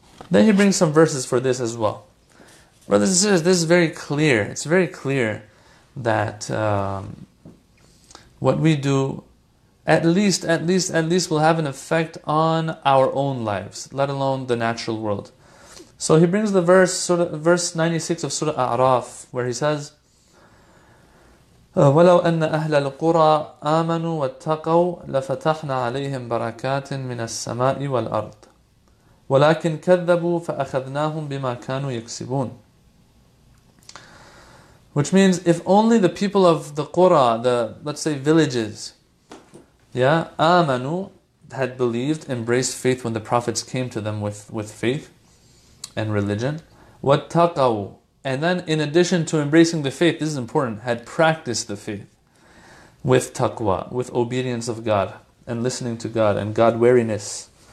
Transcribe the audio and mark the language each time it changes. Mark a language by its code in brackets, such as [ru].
[en] Then he brings some verses for this as well. Brothers and sisters, this is very clear. It's very clear that what we do At least will have an effect on our own lives, let alone the natural world. So he brings the verse, verse 96 of Surah A'raf, where he says, [ar] وَلَوْ أَنَّ أَهْلَ الْقُرَىٰ آمَنُوا وَاتَّقَوْا لَفَتَحْنَا عَلَيْهِمْ بَرَكَاتٍ مِنَ السَّمَاءِ وَالْأَرْضِ وَلَكِنْ كَذَّبُوا فَأَخَذْنَاهُمْ بِمَا كَانُوا يَكْسِبُونَ. [en] Which means, if only the people of the qura, the, let's say, villages, yeah, amanu, had believed, embraced faith when the prophets came to them with faith and religion, wattaqaw, and then in addition to embracing the faith, this is important, had practiced the faith with taqwa, with obedience of God, and listening to God, and God-wariness.